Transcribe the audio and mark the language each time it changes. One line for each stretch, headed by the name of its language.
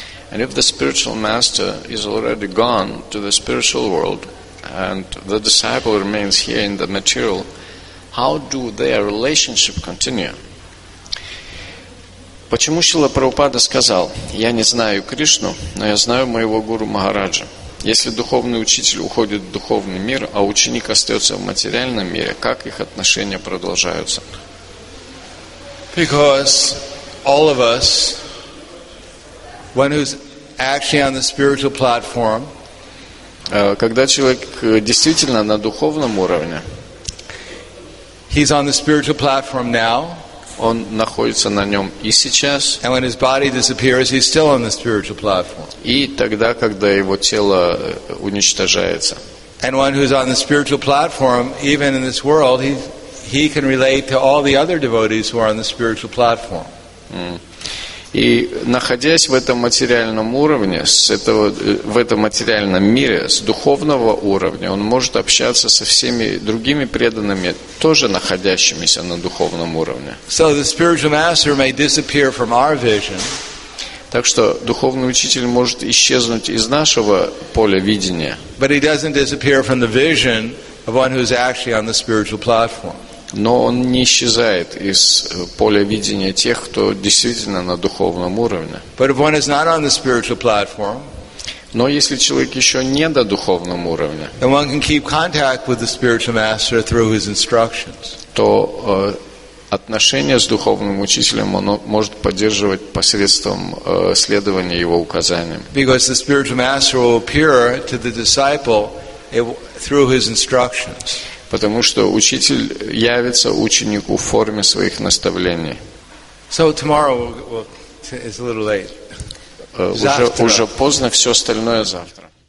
English: And if the spiritual master is already gone to the spiritual world, and the disciple remains here in the material, how do their relationship continue?
Russian: Почему Шрила Прабхупада сказал, я не знаю Кришну, но я знаю моего Гуру Махараджа? Если духовный учитель уходит в духовный мир, а ученик остается в материальном мире, как их отношения продолжаются?
English: Because all of us, one who's actually on the spiritual platform,
Russian: когда человек действительно на духовном уровне,
English: he's on the spiritual platform now,
Russian: он находится на нем и сейчас.
English: And when his body disappears, he's still on the spiritual platform.
Russian: И тогда, когда его тело уничтожается.
English: And one who's on the spiritual platform, even in this world, he can relate to all the other devotees who are on the spiritual platform.
Russian: И находясь в этом материальном уровне, в этом материальном мире, с духовного уровня, он может общаться со всеми другими преданными, тоже находящимися на духовном уровне.
English: So the spiritual master may disappear from our vision.
Russian: Так что духовный учитель может исчезнуть из нашего поля видения.
English: But he doesn't disappear from the vision of one who's actually on the spiritual platform.
Russian: Но он не исчезает из поля видения тех, кто действительно на духовном уровне.
English: But if one is not on the spiritual platform,
Russian: но если человек еще не на духовном уровне,
English: then one can keep contact with the spiritual master through his instructions.
Russian: То отношения с духовным учителем он может поддерживать посредством следования его указаниям.
English: Because the spiritual master will appear to the disciple through his instructions.
Russian: Потому что учитель явится ученику в форме своих наставлений.
English: So tomorrow it's a little late.
Russian: Уже поздно, все остальное завтра.